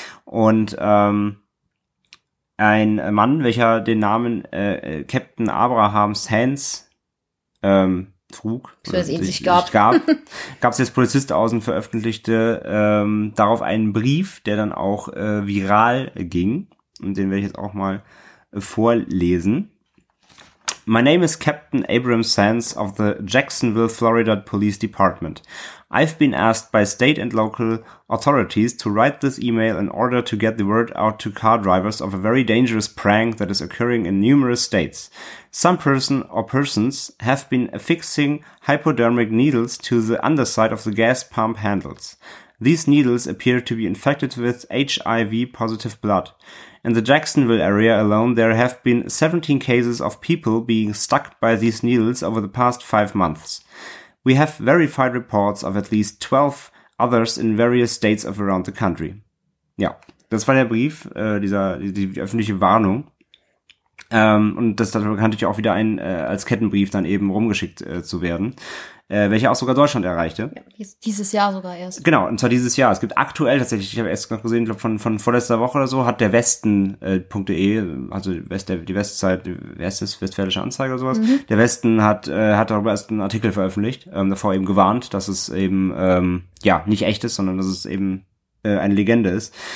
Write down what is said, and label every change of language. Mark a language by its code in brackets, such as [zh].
[de] Und ein Mann, welcher den Namen Captain Abraham Sands trug, gab es jetzt Polizist aus und veröffentlichte darauf einen Brief, der dann auch viral ging. Und den werde ich jetzt auch mal vorlesen. [en] My name is Captain Abraham Sands of the Jacksonville, Florida Police Department. I've been asked by state and local authorities to write this email in order to get the word out to car drivers of a very dangerous prank that is occurring in numerous states. Some person or persons have been affixing hypodermic needles to the underside of the gas pump handles. These needles appear to be infected with HIV-positive blood. In the Jacksonville area alone, there have been 17 cases of people being stuck by these needles over the past 5 months. We have verified reports of at least 12 others in various states of around the country. [de] Ja, das war der Brief, die öffentliche Warnung. Und das hat bekanntlich auch wieder ein als Kettenbrief dann eben rumgeschickt zu werden, welcher auch sogar Deutschland erreichte. Ja, dieses Jahr sogar erst. Genau, und zwar dieses Jahr. Es gibt aktuell tatsächlich, ich habe erst noch gesehen, glaube von vorletzter Woche oder so, hat der Westen.de, also Westfälische Anzeige oder sowas, der Westen hat darüber erst einen Artikel veröffentlicht, davor eben gewarnt, dass es eben nicht echt ist, sondern dass es eben eine Legende ist.